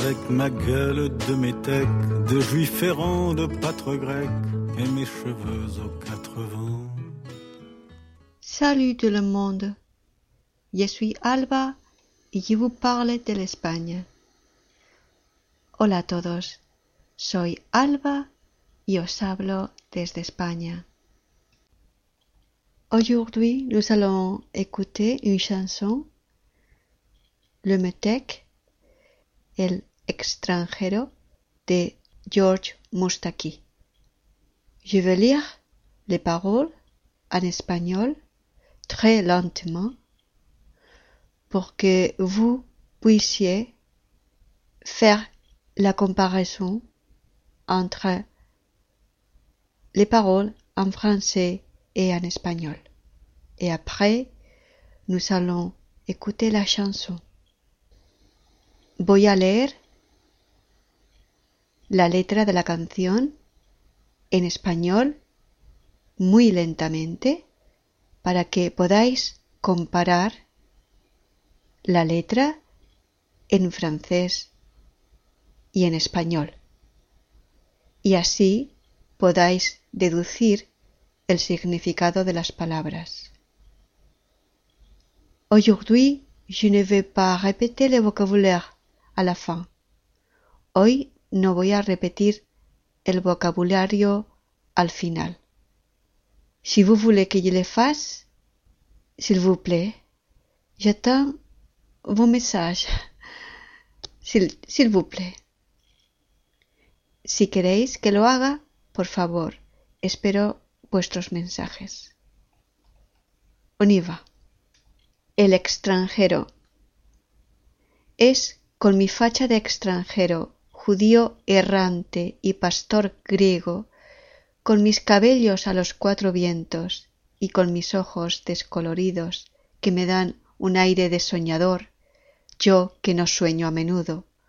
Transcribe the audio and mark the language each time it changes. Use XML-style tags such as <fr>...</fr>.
<fr>ma gueule de métèque, de juif errant, de pâtre grec, et mes cheveux aux quatre vents. Salut tout le monde, je suis Alba et je vous parle de l'Espagne.</fr> <es>Hola a todos, soy Alba y os hablo desde España.</es> <fr>Aujourd'hui, nous allons écouter une chanson, Le Métèque, El extranjero, de George Moustaki. Je vais lire les paroles en espagnol très lentement pour que vous puissiez faire la comparaison entre les paroles en français et en espagnol. Et après, nous allons écouter la chanson.</fr> <es>Voy a leer la letra de la canción en español muy lentamente para que podáis comparar la letra en francés y en español. Y así podáis deducir el significado de las palabras.</es> <fr>Aujourd'hui, je ne vais pas répéter le vocabulaire à la fin.</fr> <es>Hoy no voy a repetir el vocabulario al final.</es> <fr>Si vous voulez que je le fasse, s'il vous plaît, j'attends vos messages. S'il vous plaît.</fr> <es>Si queréis que lo haga, por favor, espero vuestros mensajes.</es> <fr>On y va.</fr> <es>El extranjero. Es con mi facha de extranjero, judío errante y pastor griego, con mis cabellos a los cuatro vientos y con mis ojos descoloridos que me dan un aire de soñador, yo que no sueño a menudo,</es>